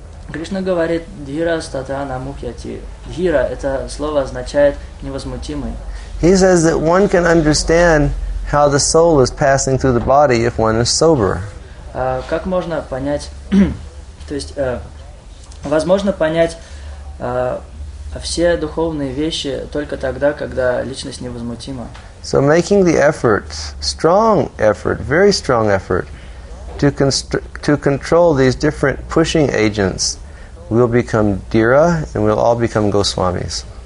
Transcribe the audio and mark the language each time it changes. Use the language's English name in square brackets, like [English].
[Russian] Кришна говорит [Sanskrit] «дхира статана мухьяти». [Russian] «Дхира» — это слово означает «невозмутимый». [English] He says that one can understand how the soul is passing through the body if one is sober. [Russian] Как можно понять, то есть, возможно понять все духовные вещи только тогда, когда личность невозмутима. [English] So making the effort, strong effort, very strong effort, to control these different pushing agents, we'll become Dira, and we'll all become Goswamis.